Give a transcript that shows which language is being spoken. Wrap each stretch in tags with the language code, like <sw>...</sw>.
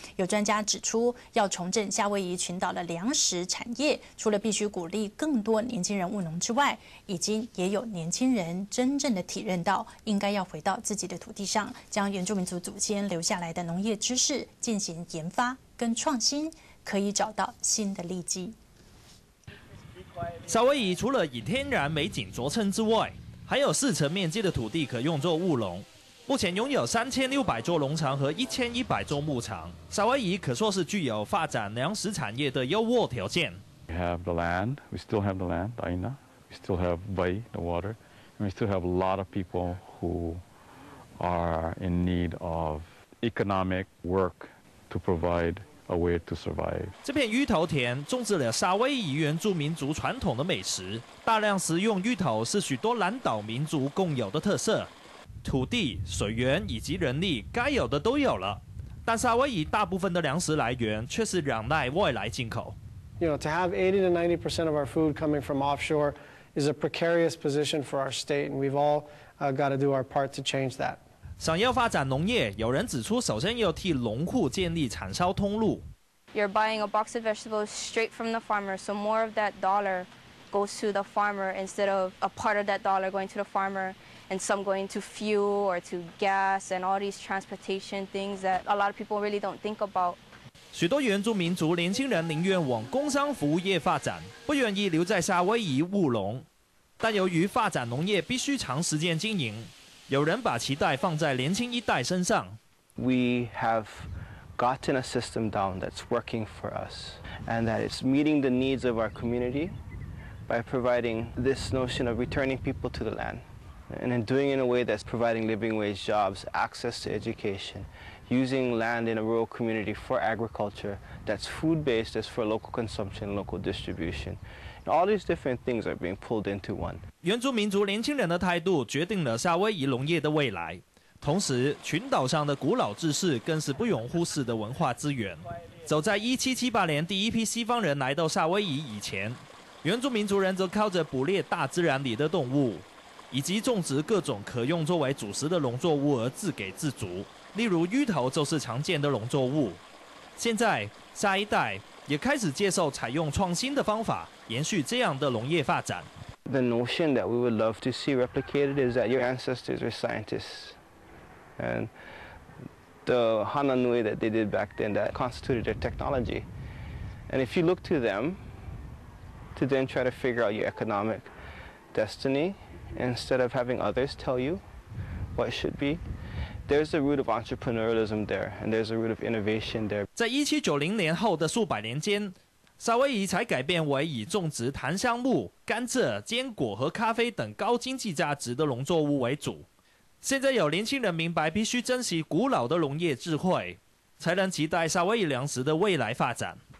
<zh>有专家指出，要重振夏威夷群岛的粮食产业，除了必须鼓励更多年轻人务农之外，已经也有年轻人真正的体认到应该要回到自己的土地上，将原住民族祖先留下来的农业知识进行研发跟创新，可以找到新的利基。夏威夷除了以天然美景著称之外，还有40%面积的土地可用作务农，目前拥有3600座农场和1100座牧场。夏威夷可说是具有发展粮食产业的优渥条件，</zh> <en>We have the land, we still have the land, Aina, we still have Vai, the water, and we still have a lot of people who are in need of economic work to provide a way to survive.</en> <zh>这片芋头田种植了夏威夷原住民族传统的美食，大量食用芋头是许多兰岛民族共有的特色。土地、水源以及人力，该有的都有了，但夏威夷大部分的粮食来源却是仰赖外来进口。</zh> <en>You know, to have 80-90% of our food coming from offshore is a precarious position for our state, and we've all got to do our part to change that.</en> <zh>想要发展农业，有人指出，首先要替农户建立产销通路。</zh> <en>You're buying a box of vegetables straight from the farmer, so more of that dollar goes to the farmer instead of a part of that dollar going to the farmer. And some going to fuel or to gas and all these transportation things that a lot of people really don't think about.</en> <zh>许多原住民族年轻人宁愿往工商服务业发展，不愿意留在夏威夷务农。但由于发展农业必须长时间经营，有人把期待放在年轻一代身上。</zh> <en>We have gotten a system down that's working for us, and that it's meeting the needs of our community by providing this notion of returning people to the land. And in doing it in a way that's providing living wage jobs, access to education, using land in a rural community for agriculture that's food based, that's for local consumption, local distribution. And all these different things are being pulled into one.</en> <zh>原住民族年轻人的态度决定了夏威夷农业的未来。同时，群岛上的古老知识更是不容忽视的文化资源。走在1778年第一批西方人来到夏威夷以前，原住民族人则靠着捕猎大自然里的动物。以及种植各种可用作为主食的农作物而自给自足，例如芋头就是常见的农作物。现在下一代也开始接受采用创新的方法，延续这样的农业发展。</zh> <en>The notion that we would love to see replicated is that your ancestors were scientists, and the hananui that they did back then that constituted their technology. And if you look to them to then try to figure out your economic destiny. Instead of having others tell you what should be, there's a root of entrepreneurialism there, and there's a root of innovation there.</en> <zh>在1790年后的数百年间，夏威夷才改变为以种植檀香木、甘蔗、坚果和咖啡等高经济价值的农作物为主。现在有年轻人明白，必须珍惜古老的农业智慧，才能期待夏威夷粮食的未来发展。</zh>